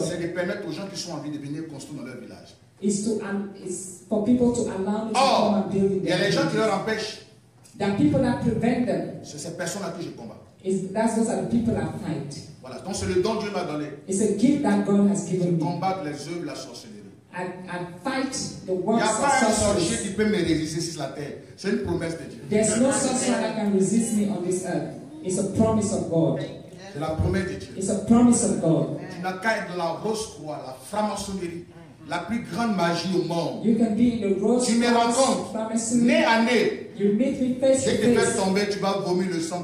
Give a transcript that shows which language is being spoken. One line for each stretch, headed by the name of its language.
French: c'est de permettre aux gens qui sont en vie de venir construire dans leur village.
English: Is to is for people to allow me to or, come and build in their villages.
French: Il y a les gens qui leur empêchent.
English: The people that prevent them.
French: C'est ces personnes-là que je combats.
English: Is that those are the people that fight?
French: Voilà, donc c'est le don Dieu m'a donné.
English: It's a gift that God has given me.
French: Je combats les œuvres de la sorcellerie.
English: I fight the works of
French: sorcery. Il n'y a pas un sorcier qui peut me résister sur la terre. C'est une promesse de Dieu.
English: There's no sorcerer that can resist me on this earth. It's a promise of God.
French: C'est la promesse de Dieu.
English: It's a promise of God.
French: Tu n'as qu'à être la rose croix, la franc-maçonnerie, la plus grande magie au monde.
English: You can be in the rose
French: tu me rencontres, nez à nez.
English: You meet me face
French: dès
English: to face.
French: Que tu fais tomber, tu vas vomir le sang.